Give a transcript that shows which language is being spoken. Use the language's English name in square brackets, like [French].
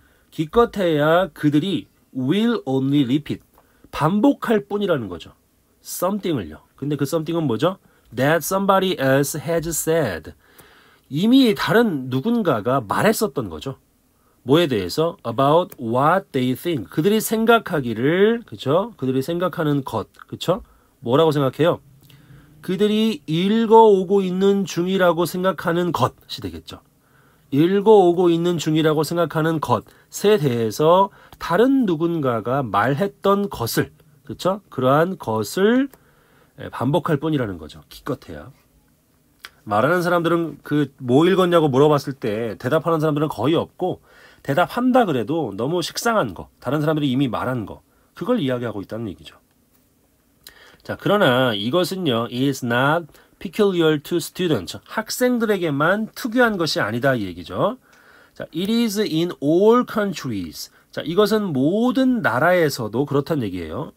[Korean] 기껏해야 그들이 [English] will only repeat, [Korean] 반복할 뿐이라는 거죠. something을요. 근데 그 something은 뭐죠? [English] that somebody else has said. [Korean] 이미 다른 누군가가 말했었던 거죠. 뭐에 대해서? [English] About what they think. [Korean] 그들이 생각하기를, 그쵸? 그들이 생각하는 것, 그쵸? 뭐라고 생각해요? 그들이 읽어오고 있는 중이라고 생각하는 것이 되겠죠. 읽어오고 있는 중이라고 생각하는 것에 대해서 다른 누군가가 말했던 것을, 그쵸? 그러한 것을 반복할 뿐이라는 거죠. 기껏해야. 말하는 사람들은 그 뭐 읽었냐고 물어봤을 때 대답하는 사람들은 거의 없고, 대답한다 그래도 너무 식상한 거, 다른 사람들이 이미 말한 거, 그걸 이야기하고 있다는 얘기죠. 자, 그러나 이것은요, [English] is not peculiar to students. [Korean] 학생들에게만 특유한 것이 아니다 이 얘기죠. [English] 자, it is in all countries. [Korean] 자, 이것은 모든 나라에서도 그렇다는 얘기예요.